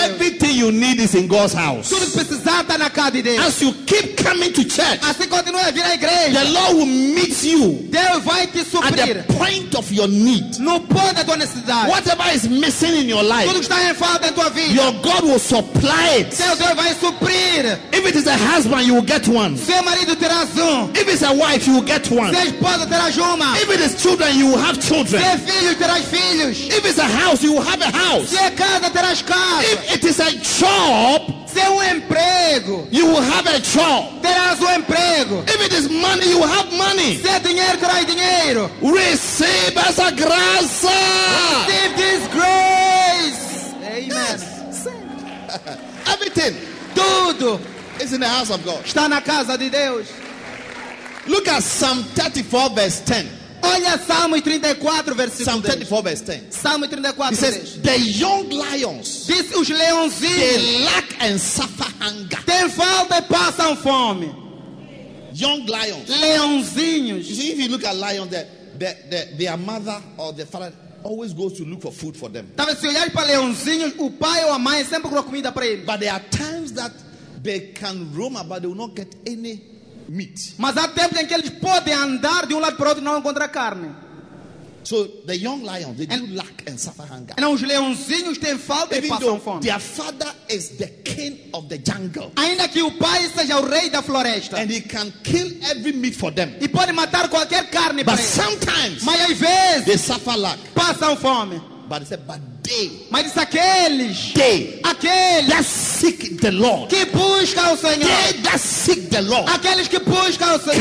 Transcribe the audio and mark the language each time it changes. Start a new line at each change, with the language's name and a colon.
English: Everything you need is in God's house.
Portuguese: Tudo que precisar está na casa de Deus.
English: As you keep coming to church,
Portuguese: assim continua a vir à igreja,
English: the Lord will meet you.
Portuguese: Deus vai te suprir.
English: At the point of your need.
Portuguese: No ponto da tua necessidade.
English: Whatever is missing in your life,
Portuguese: tudo que está em falta na tua vida,
English: your God will supply it.
Portuguese: Seu Deus vai suprir.
English: If it is a husband, you will get one.
Portuguese: Seu marido terá um.
English: If it is a wife, you will get one.
Portuguese: Seu esposo terá uma.
English: If it is children, you will have children.
Portuguese: Seu filho terá filhos.
English: If it's a house, you will have a house.
Portuguese: Se é casa, terás casa.
English: If it is a job,
Portuguese: se é emprego,
English: you will have a job.
Portuguese: Terás emprego.
English: If it is money, you will have money.
Portuguese: Se é dinheiro, terás dinheiro.
English: Receive
Portuguese: essa graça.
English: Receive this grace. Amen. Yes. Everything.
Portuguese: Tudo.
English: Is in the house of God.
Portuguese: Está na casa de Deus.
English: Look at Psalm 34 verse 10.
Portuguese: Olha Salmo 34, versículo
English: Psalm 34, verse 10.
Portuguese: Salmo 34,
English: it says, the young lions,
Portuguese: diz os leãozinhos,
English: they lack and suffer hunger.
Portuguese: Tem falta e passam fome.
English: Young lions.
Portuguese: Leãozinhos.
English: You see, if you look at lions, their mother or their father always goes to look for food for them.
Portuguese: Talvez se olhar para leãozinhos, o pai ou a mãe sempre procura comida para ele.
English: But there are times that they can roam about, they will not get any meat.
Portuguese: Mas há tempos em que eles podem andar de lado para outro e não encontrar carne.
English: So the young lions, they do lack and suffer hunger.
Portuguese: Então os leãozinhos têm falta e passam fome.
English: Their father is the king of the jungle.
Portuguese: Ainda que o pai seja o rei da floresta.
English: And he can kill every meat for them.
Portuguese: E pode matar qualquer carne para eles.
English: But sometimes,
Portuguese: mas às vezes,
English: they suffer lack.
Portuguese: Passam fome.
English: But it's a bad day.
Portuguese: Mas diz aqueles.
English: Day.
Portuguese: Aqueles.
English: That seek the Lord.
Portuguese: Que buscam o Senhor.
English: Day that seek the Lord.
Portuguese: Aqueles que buscam o Senhor.